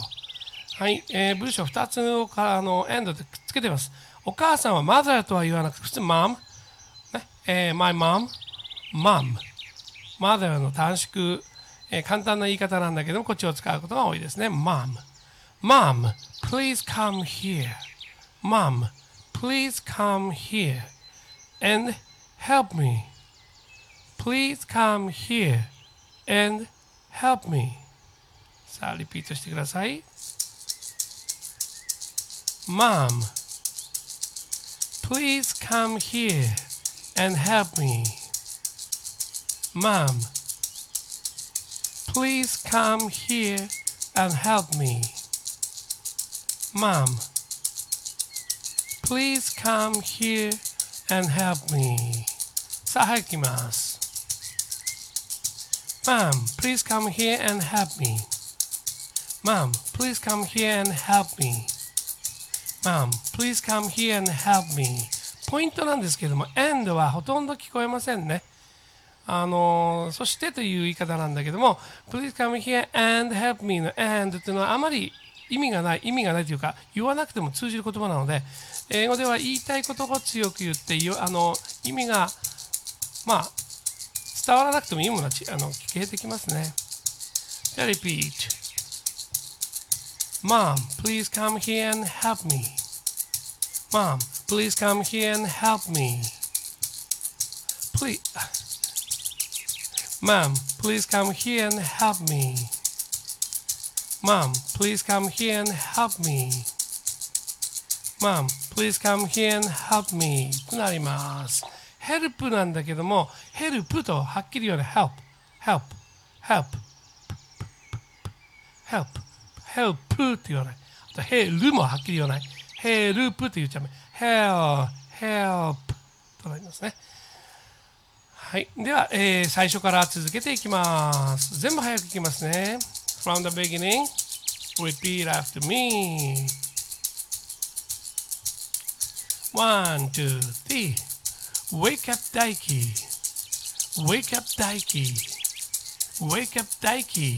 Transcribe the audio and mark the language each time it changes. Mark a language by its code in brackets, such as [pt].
[ja] はい、文章2つをエンドでくっつけてます。お母さんは mother とは言わなくて、普通 mom、ね、my mom、mom。 Mother の短縮、簡単な言い方なんだけども、こっちを使うことが多いですね。 [en] Mom. Mom, please come here. Mom, please come here and help me. Please come here and help me. [ja] さあ、リピートしてください。 [en] Mom, please come here and help me. Mom, please come here and help me. Mom, please come here and help me. [ja] さあ、早く行きます。 [en] Mom, please come here and help me. Mom, please come here and help me. Mom, please come here and help me. [ja] ポイントなんですけども、end はほとんど聞こえませんね。そしてという言い方なんだけども、 [en] Please come here and help me [ja] の and っていうのはあまり意味がないというか、言わなくても通じる言葉なので、英語では言いたいことを強く言って、意味が、まあ、伝わらなくても意味が聞けてきますね。じゃあ、 [en] repeat.Mom, please come here and help me.Mom, please come here and help me.Please. Mom, please come here and help me. Mom, please come here and help me. Mom, please come here and help me. [ja] となります。 Help なんだけども、Help とはっきり言うように Help, Help, Help, Help, Help, Help って言わない。あと Help もはっきり言わない。Help って言っちゃう。 Help, Help となりますね。はい、では、最初から続けていきます。全部早くいきますね。 [en] From the beginning, repeat after me. One, two, three. Wake up, Daiki. Wake up, Daiki. Wake up, Daiki.